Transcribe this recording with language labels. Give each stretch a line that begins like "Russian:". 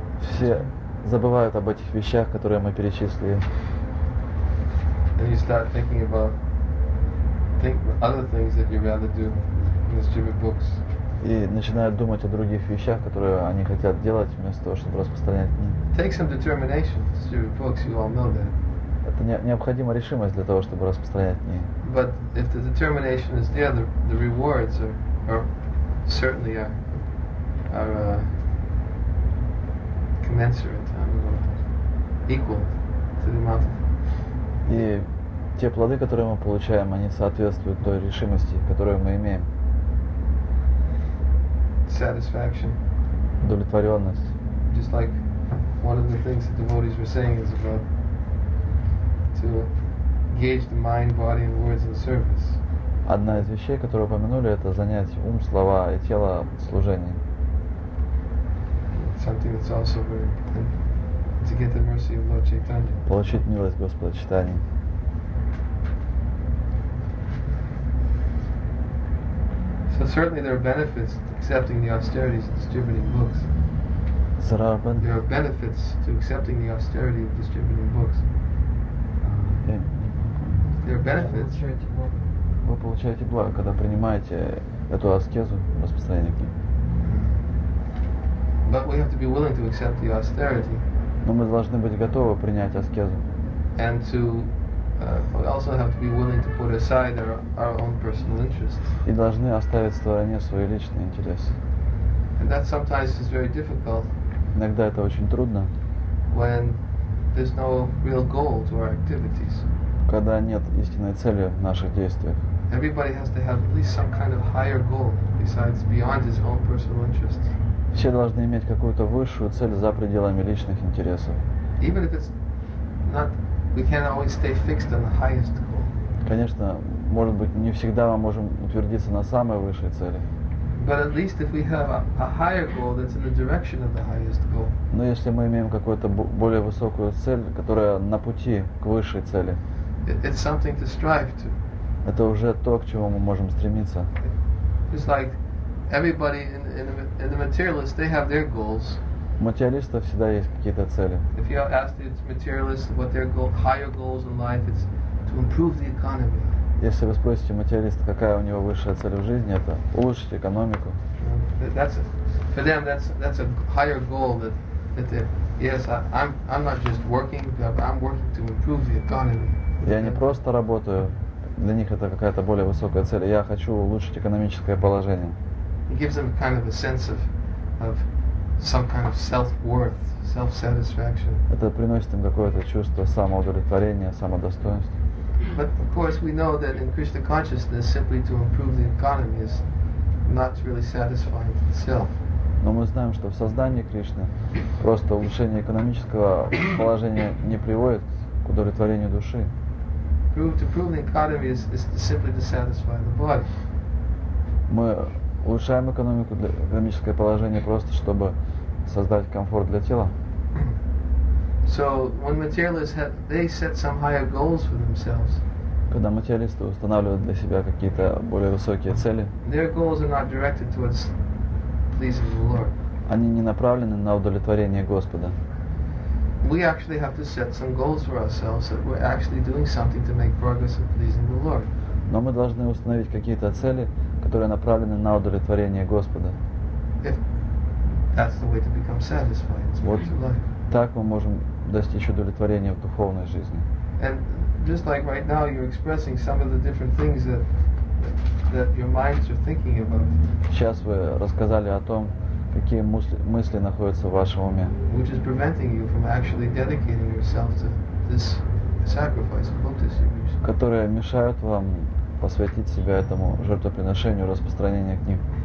Russian: Все забывают об этих вещах, которые мы перечислили.
English: And you start thinking about other things that you'd rather do in the stupid books.
Russian: И начинают думать о других вещах, которые они хотят делать вместо того, чтобы распространять книги.
English: Take some determination, stupid books, you all know that.
Russian: Это необходима решимость для того, чтобы распространять книги.
English: But if the determination is there, the rewards are certainly commensurate, equal to the amount of.
Russian: И те плоды, которые мы получаем, они соответствуют той решимости, которую мы имеем.
English: Satisfaction.
Russian: Удовлетворенность.
English: Just like one of the things that devotees were saying is about to engage the mind, body, and words in service.
Russian: Одна из вещей, которую упомянули, это занять ум, слова и тело служением.
English: Something that's also very important to get the mercy of Lord Chaitanya.
Russian: Получить милость Господа Чайтаньи.
English: So certainly there are benefits to accepting the austerities of distributing books. There are benefits to accepting the austerity of distributing books. There are benefits.
Russian: Вы получаете благо, когда принимаете эту аскезу распространения книг.
English: But we have to be willing to accept the austerity.
Russian: Но мы должны быть готовы принять аскезу.
English: And to we also have to be willing to put aside our own personal interests.
Russian: И должны оставить в стороне свои личные интересы.
English: And that sometimes is very difficult.
Russian: Иногда это очень трудно.
English: When there's no real goal to our activities.
Russian: Когда нет истинной цели в наших действиях.
English: Everybody has to have at least some kind of higher goal besides beyond his own personal interests.
Russian: Все должны иметь какую-то высшую цель за пределами личных интересов.
English: Even if it's not. We can't always stay fixed on the highest goal.
Russian: Конечно, может быть, не всегда мы можем утвердиться на самой высшей цели.
English: But at least if we have a higher goal that's in the direction of the highest goal.
Russian: Но если мы имеем какую-то более высокую цель, которая на пути к высшей цели.
English: It's something to strive to.
Russian: Это уже то, к чему мы можем стремиться.
English: It's like everybody in the materialists, they have their goals.
Russian: У материалистов всегда есть какие-то цели.
English: If you ask the materialists what their goal, higher goals in life, it's to improve the economy.
Russian: Если вы спросите материалиста, какая у него высшая цель в жизни, это улучшить экономику.
English: That's for them. That's a higher goal that yes, I'm not just working, but I'm working to improve the economy.
Russian: Я не просто работаю. Для них это какая-то более высокая цель. Я хочу улучшить экономическое положение.
English: It gives them kind of a sense of some kind of self-worth, self-satisfaction.
Russian: Это приносит им какое-то чувство самоудовлетворения, самодостоинства.
English: But of course we know that in Krishna consciousness simply to improve the economy is not really satisfying to the self.
Russian: Но мы знаем, что в сознании Кришны просто улучшение экономического положения не приводит к удовлетворению души.
English: To improve the economy is simply to satisfy the body.
Russian: Мы улучшаем экономику для экономическое положение просто чтобы создать комфорт для тела.
English: So when materialists have, they set some higher goals for themselves.
Russian: Когда материалисты устанавливают для себя какие-то более высокие цели.
English: Their goals are not directed towards pleasing the Lord.
Russian: Они не направлены на удовлетворение Господа.
English: We actually have to set some goals for ourselves that we're actually doing something to make progress in pleasing the Lord.
Russian: Но мы должны установить какие-то цели, которые направлены на удовлетворение Господа.
English: If that's the way to become satisfied in spiritual life.
Russian: Так мы можем достичь удовлетворения в духовной жизни.
English: And just like right now you're expressing some of the different things that your minds are thinking about.
Russian: Сейчас вы рассказали о том, какие мысли находятся в вашем уме.
English: Which is preventing you from actually dedicating yourself to this sacrifice of lotus eaters.
Russian: Которые мешают вам посвятить себя этому жертвоприношению, распространению книг.